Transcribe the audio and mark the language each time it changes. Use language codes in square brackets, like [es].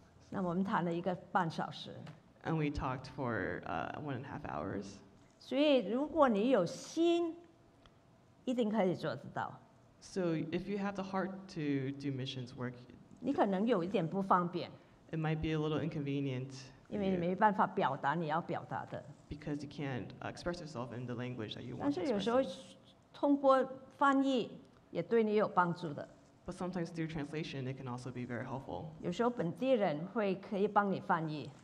[zh] 那我们谈了一个半小时. [en] And we talked for 1.5 hours. [zh] 所以如果你有心, 一定可以做得到. [en] So if you have the heart to do missions work, [zh] 你可能有一点不方便. [en] It might be a little inconvenient. [zh] 因为你没办法表达你要表达的。 [en] Because you can't express yourself in the language that you want to express. [zh] 但是有时候通过翻译也对你有帮助的。 [en] But sometimes through translation, it can also be very helpful. [zh] 有时候本地人会可以帮你翻译。